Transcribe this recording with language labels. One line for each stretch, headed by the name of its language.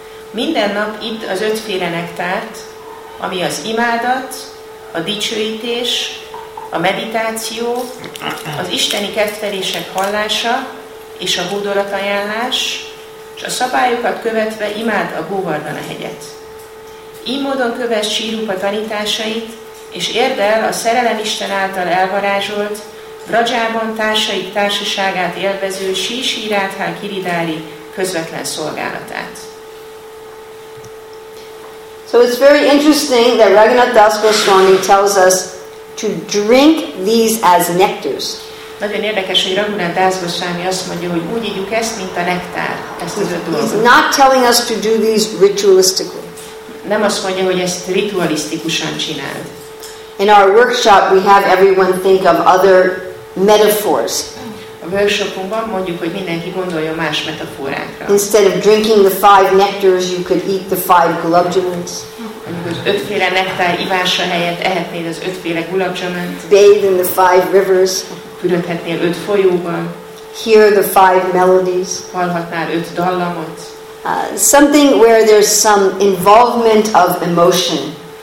Hungarian: Minden nap itt az ötféle nektárt, ami az imádat, a dicsőítés, a meditáció, az isteni kedvelések hallása és a hódolatajánlás, és a szabályokat követve imád a Govardhana hegyet. Így módon kövess Sírupa tanításait, és érd el a szerelemisten által elvarázsolt, Vrajában társaik társaságát élvező Sísi Rádhá Kiridári közvetlen szolgálatát.
English: So it's very interesting that Raghunath Das Goswami tells us to drink these as nectars.
Hungarian: Nagyon érdekes, hogy Raghunath Das Goswami azt mondja, hogy úgy ígyük ezt, mint a nektár.
English: He's not telling us to do these ritualistically.
Hungarian: Nem azt mondja, hogy ezt ritualisztikusan csináld.
English: In our workshop, we have everyone think of other metaphors.
Hungarian: A workshopunkban mondjuk, hogy mindenki gondoljon más metaforákra.
English: Instead of drinking the five nectars, you could eat the five gulab jamuns.
Hungarian: Ötféle nektár ivása helyett ehetnéd az ötféle gulab jamunt.
English: Bathe in the five rivers.
Hungarian: Fürödhetnél öt folyóban.
English: Hear the five melodies.
Hungarian: Hallhatnál öt dallamot.
English: Something where there's some involvement of emotion.